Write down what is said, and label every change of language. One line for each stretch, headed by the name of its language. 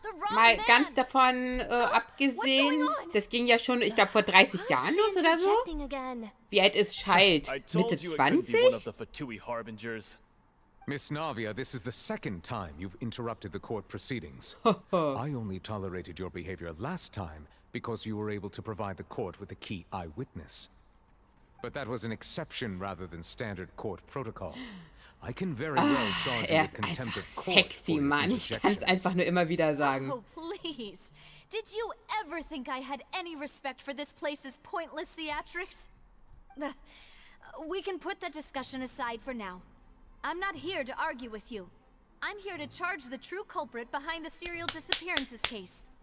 German: Mal ganz davon abgesehen, das ging ja schon, ich glaube, vor 30 Jahren los oder so. Wie alt ist Scheid? Mitte 20?
English: Miss Navia, this is the second time you've interrupted the court proceedings. I only tolerated your behavior last time because you were able to provide the court with a key eyewitness. But that was an exception rather than standard court protocol. I can very well charge you with contempt of court. Sexy man,
German: ich kann es einfach nur immer wieder sagen.
English: Oh, please. Did you ever think I had any respect for this place's pointless theatrics? We can put that discussion aside for now. I'm not here to argue with you. I'm here to charge the true culprit behind the serial disappearances case.